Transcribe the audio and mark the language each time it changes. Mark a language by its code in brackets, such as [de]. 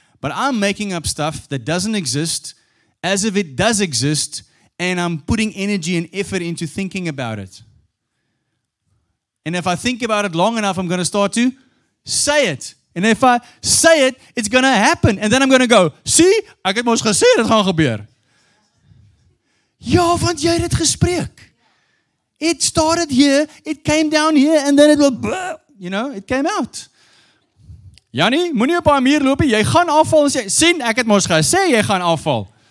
[en] But I'm making up stuff that doesn't exist as if it does exist, and I'm putting energy and effort into thinking about it. And if I think about it long enough, I'm going to start to say it. And if I say it, it's going to happen. And then I'm going to go, see, [af] ek het mos gesê dit gaan gebeur. Ja, want jy het dit gespreek. [en] It started here, it came down here, and then it will, blah, you know, it came out. [af] Jannie, moenie op haar muur loop, jy gaan afval. En sien, ek het mos gesê, jy gaan afval.